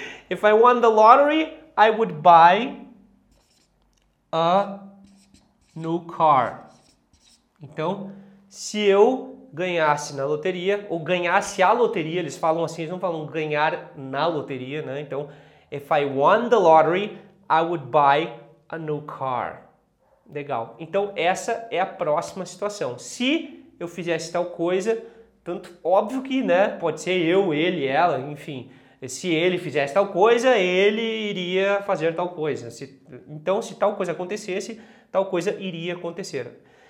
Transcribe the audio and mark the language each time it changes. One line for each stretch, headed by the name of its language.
English: If I won the lottery, I would buy a new car.
Portuguese: Então, se eu ganhasse na loteria, ou ganhasse a loteria, eles falam assim, eles não falam ganhar na loteria, né?
English: Então, if I won the lottery, I would buy a new car.
Portuguese: Legal. Então, essa é a próxima situação. Se eu fizesse tal coisa, tanto óbvio que, né, pode ser eu, ele, ela, enfim. Se ele fizesse tal coisa, ele iria fazer tal coisa. Se tal coisa acontecesse, tal coisa iria acontecer.